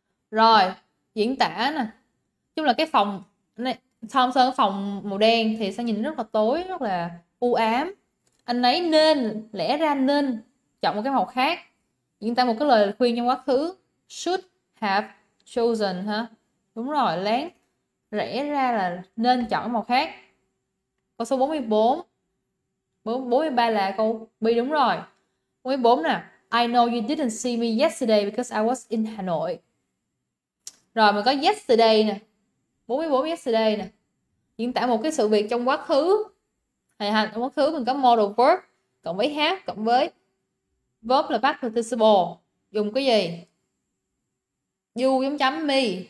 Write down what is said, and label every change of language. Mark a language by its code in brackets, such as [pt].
[vi] Rồi diễn tả nè, chung là cái phòng này Tom sơn phòng màu đen thì sẽ nhìn rất là tối, rất là u ám. Anh ấy nên lẽ ra nên chọn một cái màu khác. Diễn tả một cái lời khuyên trong quá khứ. [en] Should have chosen [vi] ha, đúng rồi, lén lẽ ra là nên chọn màu khác. Câu số 44, 43 là câu B đúng rồi. 44 nè, [en] I know you didn't see me yesterday because I was in Hà Nội. [vi] Rồi mình có yesterday nè, 44 yesterday nè, diễn tả một cái sự việc trong quá khứ. Hành hành trong quá khứ mình có modal verb cộng với have cộng với verb là past participle, dùng cái gì? [en] You [vi] giống chấm [en] me.